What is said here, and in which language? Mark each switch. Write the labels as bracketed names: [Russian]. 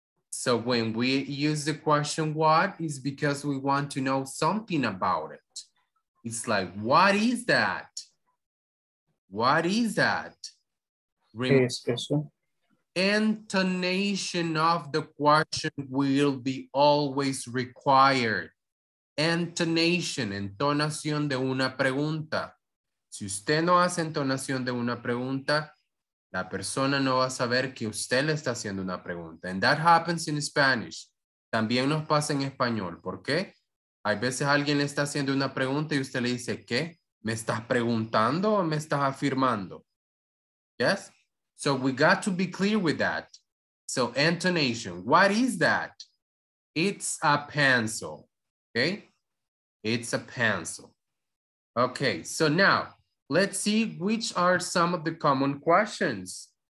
[English] So when we use the question, what, is because we want to know something about it. It's like, what is that? What is that? Intonation of the question will be always required. [Spanish] Intonation, entonación de una pregunta. Si usted no hace entonación de una pregunta, la persona no va a saber que usted le está haciendo una pregunta. [English] And that happens in Spanish. [Spanish] También nos pasa en español. ¿Por qué? Hay veces alguien le está haciendo una pregunta y usted le dice, ¿qué? ¿Me estás preguntando o me estás afirmando? [English] Yes? So we got to be clear with that. So intonation. What is that? It's a pencil. Okay? It's a pencil. Okay, so now, let's see which are some of the common questions.